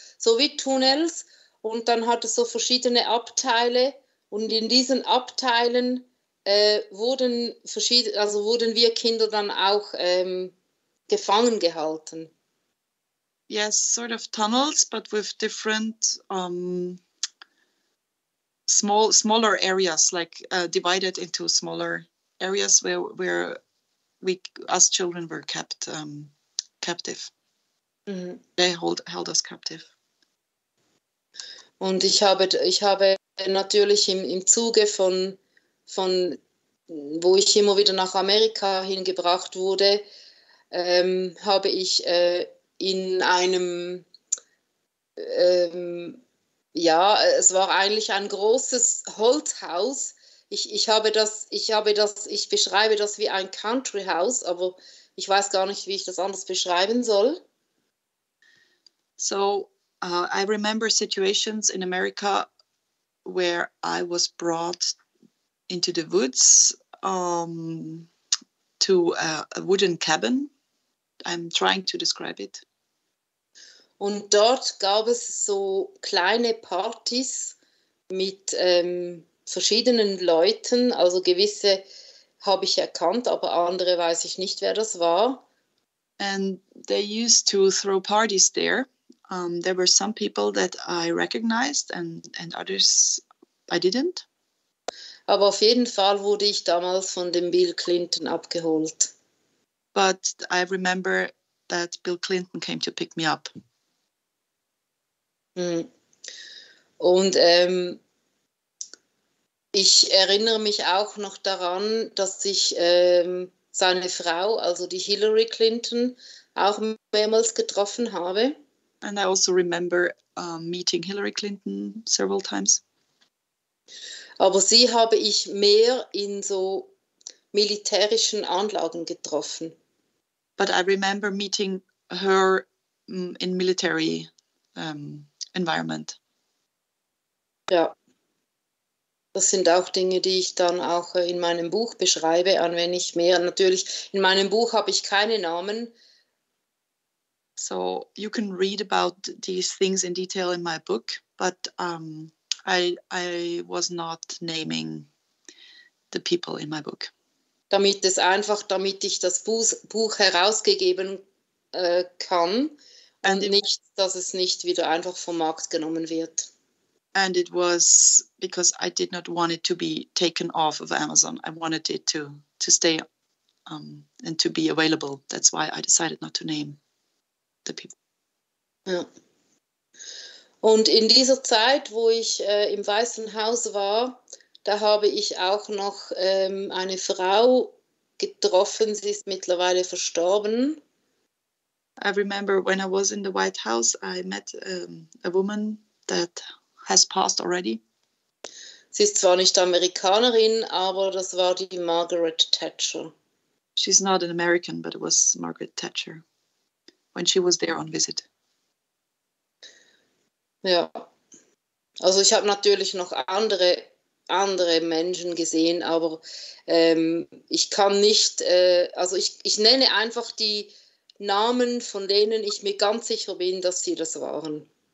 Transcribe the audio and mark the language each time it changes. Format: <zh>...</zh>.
<de>So wie Tunnels, und dann hat es so verschiedene Abteile, und in diesen Abteilen wurden wir Kinder dann auch gefangen gehalten.</de> <en>Yes, sort of tunnels, but with different smaller areas, like divided into smaller areas where we us children were kept captive. They held us captive.</en> <de>Und ich habe natürlich im Zuge von wo ich immer wieder nach Amerika hingebracht wurde, habe ich in einem, ja, es war eigentlich ein großes Holzhaus. Ich beschreibe das wie ein Country House, aber ich weiß gar nicht, wie ich das anders beschreiben soll.</de> <en>So, I remember situations in America where I was brought into the woods to a wooden cabin. I'm trying to describe it.</en> <de>Und dort gab es so kleine Partys mit verschiedenen Leuten. Also gewisse habe ich erkannt, aber andere weiß ich nicht, wer das war.</de> <en>And they used to throw parties there. There were some people that I recognized and others I didn't.</en> <de>Aber auf jeden Fall wurde ich damals von dem Bill Clinton abgeholt.</de> <en>But I remember that Bill Clinton came to pick me up.</en> <de>Und ich erinnere mich auch noch daran, dass ich seine Frau, also die Hillary Clinton, auch mehrmals getroffen habe.</de> <en>And I also remember meeting Hillary Clinton several times.</en> <de>Aber sie habe ich mehr in so militärischen Anlagen getroffen.</de> <en>But I remember meeting her in military environment.</en> <de>Ja, das sind auch Dinge, die ich dann auch in meinem Buch beschreibe, an wenn ich mehr. Natürlich, in meinem Buch habe ich keine Namen.</de> <en>So you can read about these things in detail in my book, but I was not naming the people in my book.</en> <de>Damit es einfach, damit ich das Buch herausgegeben kann und nicht, dass es nicht wieder einfach vom Markt genommen wird.</de> <en>And it was because I did not want it to be taken off of Amazon. I wanted it to stay and to be available. That's why I decided not to name the people.</en> <de>Ja. Und in dieser Zeit, wo ich im Weißen Haus war, da habe ich auch noch eine Frau getroffen. Sie ist mittlerweile verstorben.</de> <en>I remember when I was in the White House, I met a woman that has passed already.</en> <de>Sie ist zwar nicht Amerikanerin, aber das war die Margaret Thatcher.</de> <en>She's not an American, but it was Margaret Thatcher when she was there on visit.</en> <de>Ja, also ich habe natürlich noch andere Menschen gesehen, aber ich kann nicht, also ich nenne einfach die Namen, von denen ich mir ganz sicher bin, dass sie das waren.</de>